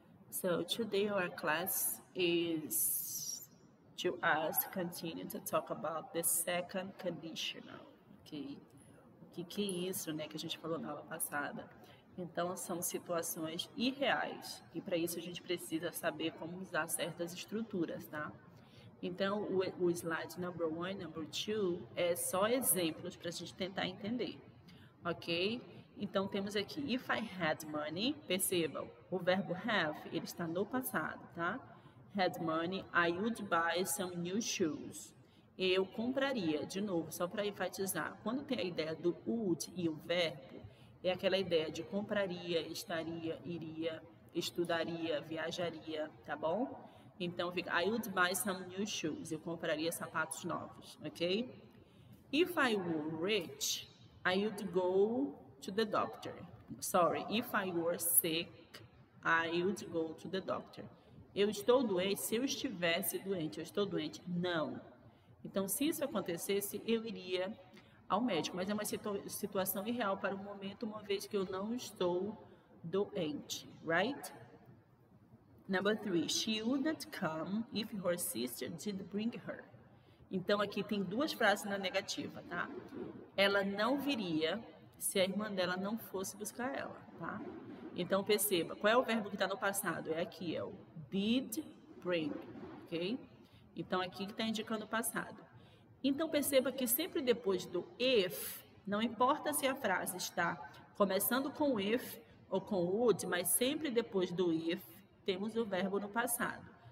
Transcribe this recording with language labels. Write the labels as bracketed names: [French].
[English] So today our class is to us to continue to talk about the second conditional, ok? [Portuguese] O que que é isso, né, que a gente falou na aula passada? Então, são situações irreais e para isso a gente precisa saber como usar certas estruturas, tá? Então, o slide [English] number one, number two [Portuguese] é só exemplos para a gente tentar entender, ok? Então, temos aqui, [English] if I had money, [Portuguese] percebam, o verbo have, ele está no passado, tá? [English] Had money, I would buy some new shoes. [Portuguese] Eu compraria, de novo, só para enfatizar, quando tem a ideia do would e o verbo, é aquela ideia de compraria, estaria, iria, estudaria, viajaria, tá bom? Então, fica, [English] I would buy some new shoes, [Portuguese] eu compraria sapatos novos, ok? [English] If I were rich, I would go to the doctor. Sorry, if I were sick, I would go to the doctor. [Portuguese] Eu estou doente? Se eu estivesse doente, eu estou doente? Não. Então, se isso acontecesse, eu iria ao médico. Mas é uma situação irreal para o momento, uma vez que eu não estou doente, right? [English] Number three, she would not come if her sister didn't bring her. [Portuguese] Então, aqui tem duas frases na negativa, tá? Ela não viria se a irmã dela não fosse buscar ela, tá? Então, perceba, qual é o verbo que está no passado? É aqui, é o did bring, ok? Então, aqui que está indicando o passado. Então, perceba que sempre depois do if, não importa se a frase está começando com if ou com would, mas sempre depois do if, temos o verbo no passado.